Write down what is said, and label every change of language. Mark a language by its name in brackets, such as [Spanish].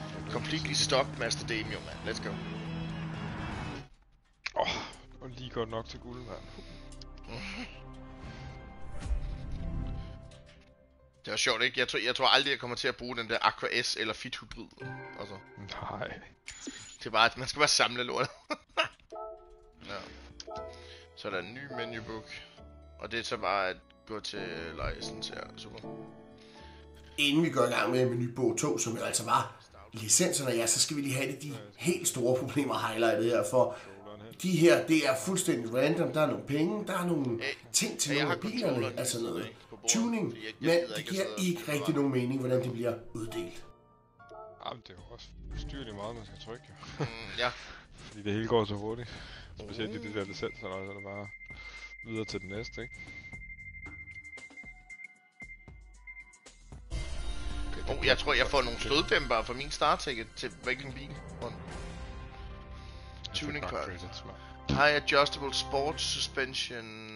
[English] Completely stopped, Master Damio, man. Let's go. [Danish] Det var lige godt nok til guld, man. Det var sjovt, ikke? Jeg tror aldrig, jeg kommer til at bruge den der Aqua S eller Fit Hybrid. Altså. Nej. Det er bare, man skal bare samle lort. Ja. Så er der en ny menu book. Og det er så bare at gå til license her. Super. Inden vi går i gang med menu book 2, som jo altså var licenserne, ja, så skal vi lige have det, de helt store problemer highlightet her, for de her, det er fuldstændig random. Der er nogle penge, der er nogle ting til nogle bilerne, altså noget tuning, men det giver ikke rigtig nogen mening, hvordan det bliver uddelt. Jamen, det er jo også styrligt meget, man skal trykke. Ja. Fordi det hele går så hurtigt. Specielt i det der licenser, så er det bare videre til den næste, ikke? Oh, jeg tror, jeg får nogle støddæmpere fra min startticket til hvilken bil? [English] Tuning card. High adjustable sports suspension.